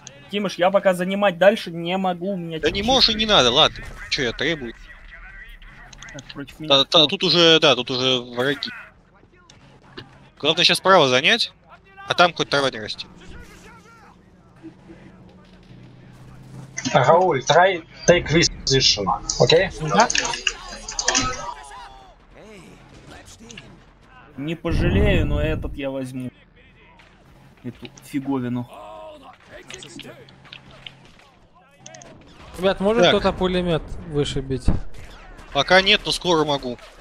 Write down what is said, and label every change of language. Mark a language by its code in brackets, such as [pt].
[ru] Тимош, я пока занимать дальше не могу. У меня да не можешь и не надо, ладно. Че я требую? Так, да, тут уже, да, тут уже враги. Главное сейчас право занять, а там хоть трава не растет. [en] Рауль, try take this position, окей? [ru] Да. Не пожалею, но этот я возьму. Эту фиговину. Ребят, может так. Кто-то пулемет вышибить? Пока нет, но скоро могу.